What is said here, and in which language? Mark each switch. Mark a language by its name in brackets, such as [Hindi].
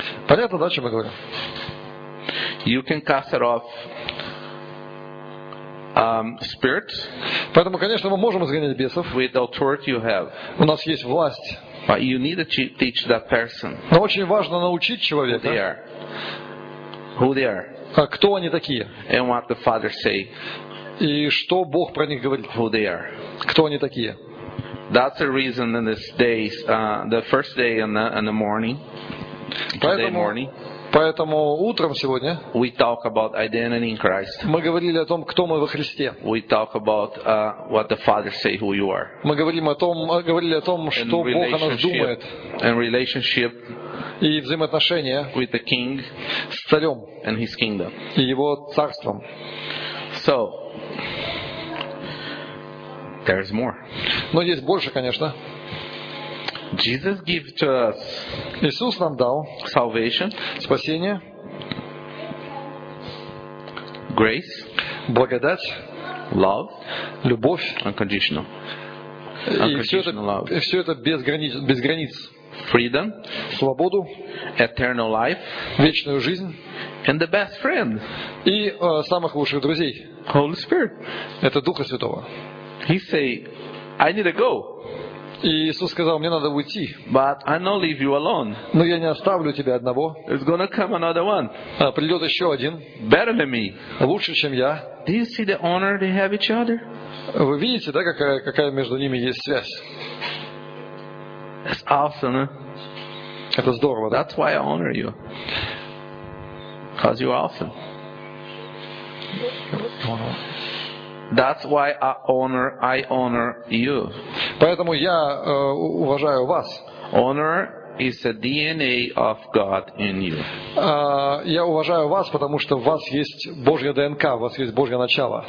[Russian] Понятно, да, о чем я говорю? [English] You can cast it off spirit. [Russian] Поэтому, конечно, мы можем изгонять бесов. [English] With the authority you have. [Russian] У нас есть власть. [English] But you need to teach that person. [Russian] Но очень важно научить человека. [English] Who they are. Who they are. [Russian] А кто они такие? [English] And what the Father say. [Russian] И что Бог про них говорит? [English] Who they are. [Russian] Кто они такие? [English] That's the reason in this day, the first day in the morning, today morning. [Russian] Поэтому утром сегодня [English] we talk about identity in Christ. [Russian] Мы говорили о том, кто мы во Христе. [English] We talk about what the Father say who you are. [Russian] Мы говорили о том, что Бог о нас думает. [English] And relationship. [Russian] И взаимоотношения [English] with the King. [Russian] С царем. [English] And his kingdom. [Russian] И его царством. [English] So. There is more. [Russian] Но есть больше, конечно. [English] Jesus gave to us. [Russian] Иисус нам дал [English] salvation. [Russian] Спасение. [English] Grace. [Russian] Благодать. [English] Love. [Russian] Любовь. [English] Unconditional. Unconditional love. [Russian] И все это без границ. Без границ. [English] Freedom. [Russian] Свободу. [English] Eternal life. [Russian] Вечную жизнь. [English] And the best friend. [Russian] И самых лучших друзей. [English] Holy Spirit. [Russian] Это Духа Святого. [English] He say, I need to go. [Russian] Иисус сказал, мне надо уйти. [English] But I not leave you alone. [Russian] Но я не оставлю тебя одного. [English] It's gonna come another one. [Russian] Придет еще один. [English] Better than me. [Russian] Лучше, чем я. [English] Do you see the honor they have each other? [Russian] Вы видите, да, какая между ними есть связь? [English] That's awesome. [Russian] Это здорово, да? [English] That's why I honor you. Cause you're awesome. That's why I honor you. [Russian] Поэтому я уважаю вас. [English] Honor is the DNA of God in you. [Russian] Я уважаю вас, потому что у вас есть Божья ДНК, у вас есть Божье начало.